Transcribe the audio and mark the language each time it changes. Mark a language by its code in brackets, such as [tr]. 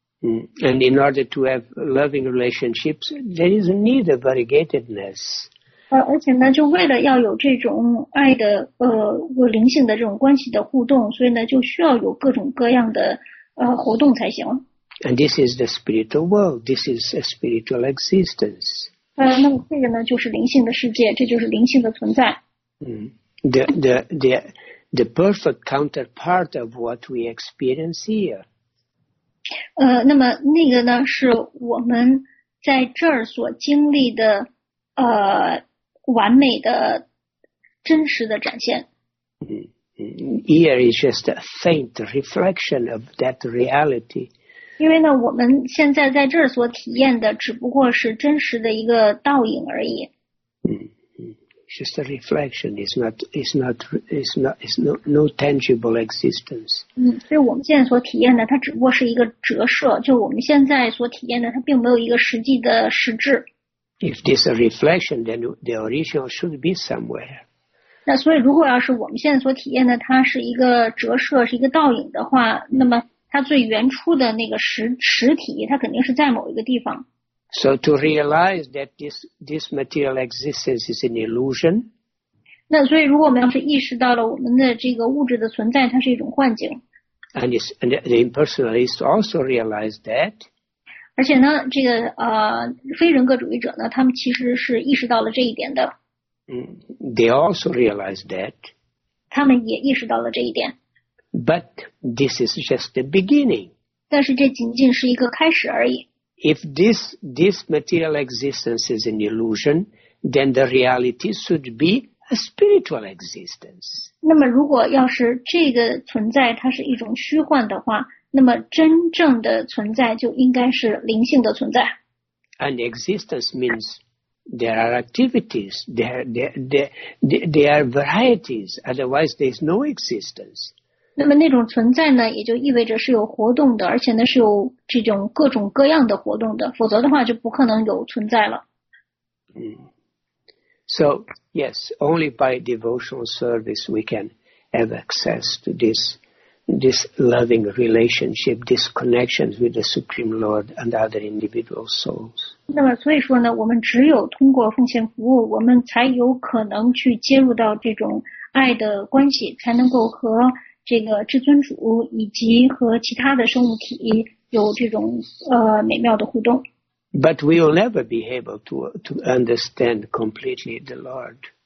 [en] And in order to have loving relationships, there is a need of variegatedness. [zh] 而且呢，就为了要有这种爱的灵性的这种关系的互动，所以呢，就需要有各种各样的活动才行。 [en] And this is the spiritual world. This is a spiritual existence. [zh] 那么这个呢，就是灵性的世界，这就是灵性的存在。 [en] The perfect counterpart of what we experience here. [zh] 那么那个呢，是我们在这儿所经历的完美的真实的展现。 [en] Here is just a faint reflection of that reality. [zh] 因为呢，我们现在在这儿所体验的只不过是真实的一个倒影而已。 [en] It's just a reflection. It's no tangible existence. [zh] 所以我们现在所体验的，它只不过是一个折射。就我们现在所体验的，它并没有一个实际的实质。 [en] If this is a reflection, then the original should be somewhere. [zh] 那所以，如果要是我们现在所体验的，它是一个折射，是一个倒影的话，那么。它最原初的那个实体，它肯定是在某一个地方。 [en] So to realize that this material existence is an illusion. [zh] 那所以，如果我们要是意识到了我们的这个物质的存在，它是一种幻境。 [en] And the impersonalist also realize that. [zh] 而且呢，这个非人格主义者呢，他们其实是意识到了这一点的。 [en] They also realize that. [zh] 他们也意识到了这一点。 [en] But this is just the beginning. [zh] 但是这仅仅是一个开始而已。 [en] If this material existence is an illusion, then the reality should be a spiritual existence. [zh] 那么如果要是这个存在它是一种虚幻的话，那么真正的存在就应该是灵性的存在。 [en] And existence means there are activities, there are varieties, otherwise there is no existence. [zh] 那么那种存在呢，也就意味着是有活动的，而且呢是有这种各种各样的活动的，否则的话就不可能有存在了。 [en] So yes, only by devotional service we can have access to this loving relationship, this connection with the Supreme Lord and other individual souls. [zh] 那么所以说呢，我们只有通过奉献服务，我们才有可能去接入到这种爱的关系，才能够和这个至尊主以及和其他的生物体有这种美妙的互动。 [en] But we will never be able to understand completely the Lord.